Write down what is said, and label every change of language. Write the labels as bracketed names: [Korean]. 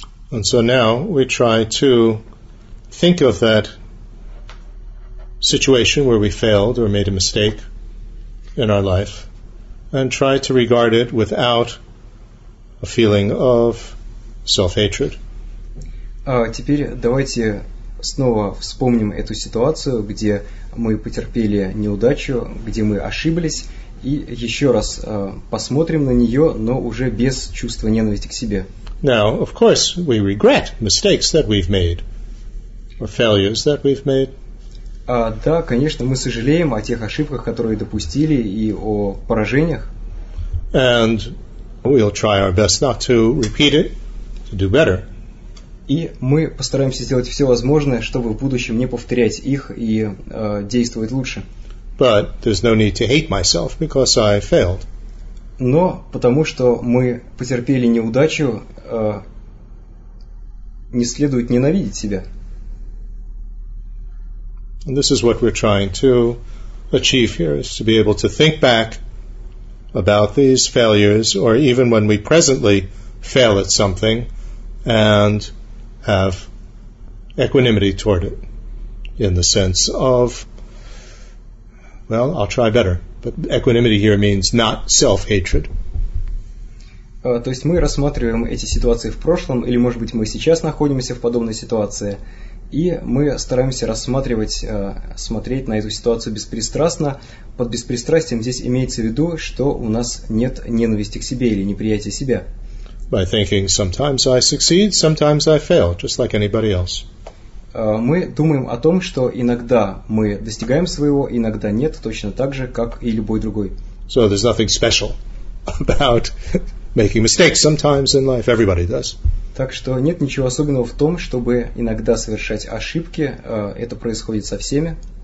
[English] And so now we try to think of that situation where we failed or made a mistake in our life and try to regard it without a feeling of self-hatred. [Russian] Теперь давайте снова вспомним эту ситуацию, где мы потерпели неудачу, где мы ошиблись, и еще раз посмотрим на нее, но уже без чувства ненависти к себе. [English] Now, of course, we regret mistakes that we've made or failures that we've made. [Russian] Да, конечно, мы сожалеем о тех ошибках, которые допустили, и о поражениях. [English] And we'll try our best not to repeat it, to do better. [Russian] И мы постараемся сделать все возможное, чтобы в будущем не повторять их и действовать лучше. [English] But there's no need to hate myself because I failed. [Russian] Но потому что мы потерпели неудачу, не следует ненавидеть себя. [English] And this is what we're trying to achieve here, is to be able to think back about these failures, or even when we presently fail at something, and have equanimity toward it, in the sense of, well, I'll try better. But equanimity here means not self-hatred. [Russian] То есть мы рассматриваем эти ситуации в прошлом, или, может быть, мы сейчас находимся в подобной ситуации, и мы стараемся рассматривать, смотреть на эту ситуацию беспристрастно. Под беспристрастием здесь имеется в виду, что у нас нет ненависти к себе или неприятия себя. [English] By thinking, sometimes I succeed, sometimes I fail, just like anybody else. [Russian] Мы думаем о том, что иногда мы достигаем своего, иногда нет, точно так же, как и любой другой. [English] So there's nothing special about making mistakes sometimes in life. Everybody does. [Russian] Так что нет ничего особенного в том, чтобы иногда совершать ошибки. Это происходит со всеми.